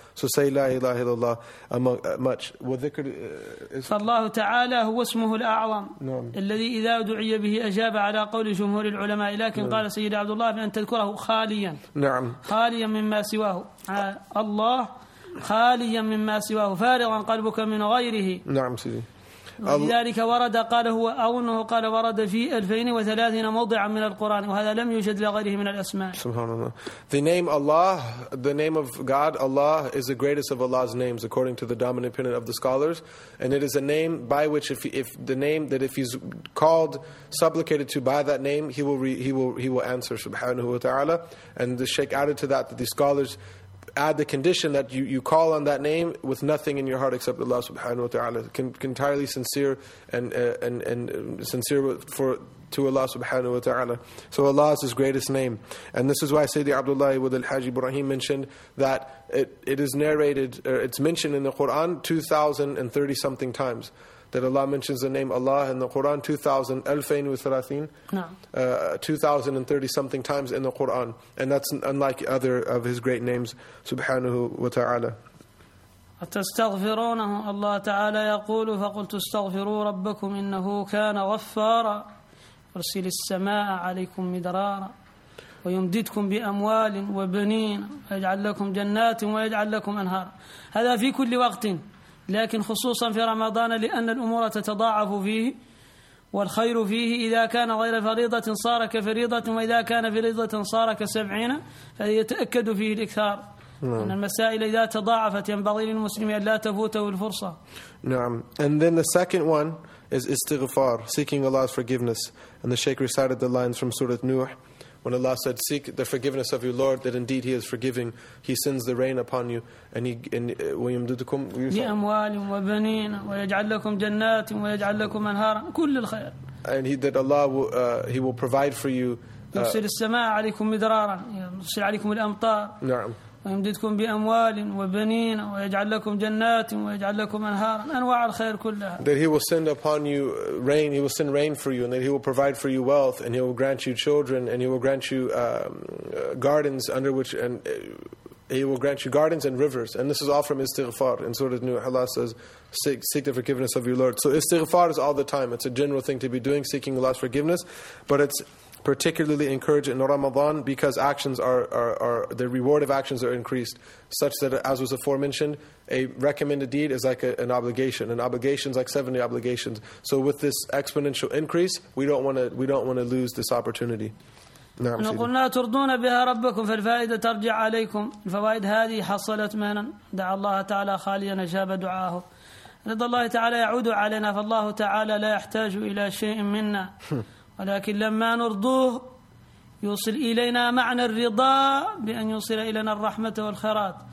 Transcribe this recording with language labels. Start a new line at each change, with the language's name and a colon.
English: So say
Arabic: La ilaha illallah
English: among much.
Arabic: فالله تعالى هو اسمه الأعظم الذي إذا دعي به أجاب على قول جمهور العلماء لكن قال سيد عبد الله أن تذكره خاليا خاليا مما سواه الله خاليا مما سواه فارغا قلبك من غيره. نعم سيدي. ولذلك ورد قال هو أو أنه قال ورد في 2030 موضعا من القرآن وهذا لم يوجد لغيره من الأسماء. سبحان الله.
English: The name Allah, the name of God, Allah is the greatest of Allah's names according to the dominant opinion of the scholars, and it is a name by which if the name that if he's called supplicated to by that name he will answer Subhanahu wa Taala. And the Shaykh added to that that the scholars add the condition that you call on that name with nothing in your heart except Allah Subhanahu wa Taala, entirely sincere and sincere to Allah Subhanahu wa Taala. So Allah is His greatest name, and this is why Sayyidi Abdullah Ibn al-Hajj Ibrahim mentioned that it is narrated, or it's mentioned in the Quran 2,030 something times. That Allah mentions the name Allah in the Quran 2,030 something times in the Quran, and that's unlike other of His great names, Subhanahu wa Taala.
Arabic: أتستغفرونه الله تعالى يقول فقلت استغفروا ربكم إنه كان غفارا أرسل السماء عليكم مدرارا ويمددكم بأموال وبنين ويجعل لكم جنات ويجعل لكم أنهار. هذا في كل وقت. لكن خصوصا في رمضان لأن الأمور تتضاعف فيه والخير فيه إذا كان غير فريضة صار كفريضة وإذا كان فريضة صار كسبعين فيتأكد فيه الإكثار. نعم. أن المسائل إذا تضاعفت ينبغي للمسلم أن لا تفوته الفرصة. نعم.
English: And then the second one is istighfar, seeking Allah's forgiveness. And the Shaykh recited the lines from Surah Nuh when Allah said, seek the forgiveness of your Lord, that indeed He is forgiving. He sends the rain upon you. And He and
Arabic: ويمددكم بأموالٍ وبنين ويجعل لكم جنات ويجعل لكم أنهار كل الخير.
English: And that Allah He will provide for you.
Arabic: يرسل السماء عليكم مدرارا يرسل عليكم الأمطار. نعم. ويمددكم بأموالٍ وبنين ويجعل لكم جنات ويجعل لكم أنهار أنواع الخير كلها.
English: That He will send upon you rain, He will send rain for you, and that He will provide for you wealth, and He will grant you children, and He will grant you gardens under which and He will grant you gardens and rivers. And this is all from istighfar. In Surah Nuh, Allah says, seek the forgiveness of your Lord. So istighfar is all the time. It's a general thing to be doing, seeking Allah's forgiveness. But it's particularly encouraged in Ramadan because actions are the reward of actions are increased, such that, as was aforementioned, a recommended deed is like an obligation. An obligation is like 70 obligations. So with this exponential increase, we don't want to lose this opportunity.
Arabic: نعم. قلنا ترضون بها ربكم فالفائدة ترجع عليكم. الفوائد هذه حصلت من دعا الله تعالى خاليا أجاب دعاه. رضا الله تعالى يعود علينا فالله تعالى لا يحتاج إلى شيء منا. ولكن لما نرضوه يوصل إلينا معنى الرضا بأن يوصل إلينا الرحمة والخيرات.